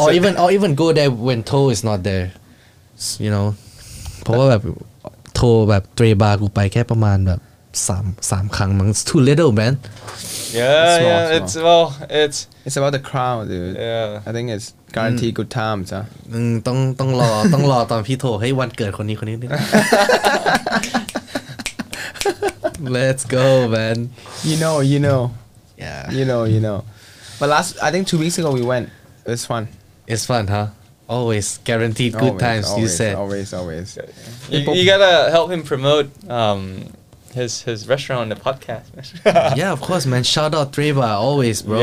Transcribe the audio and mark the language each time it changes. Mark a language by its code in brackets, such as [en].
[en] Or even go there when Toh is not there. You know, because Toh like three bar, I go like, about three times. It's too little, man. Yeah, it's well, it's about the crowd, dude. Yeah, I think it's guaranteed good times, huh? [th] ต้องรอตอนพี่โทรให้วันเกิดคนนี้คนนี้นึง [en] Let's go, man. You know. But last, I think 2 weeks ago we went. It's fun. It's fun, huh? Always guaranteed good times. Always, you said always. You gotta help him promote. His restaurant on the podcast. Yeah, of course, man. Shout out Treva, always, bro.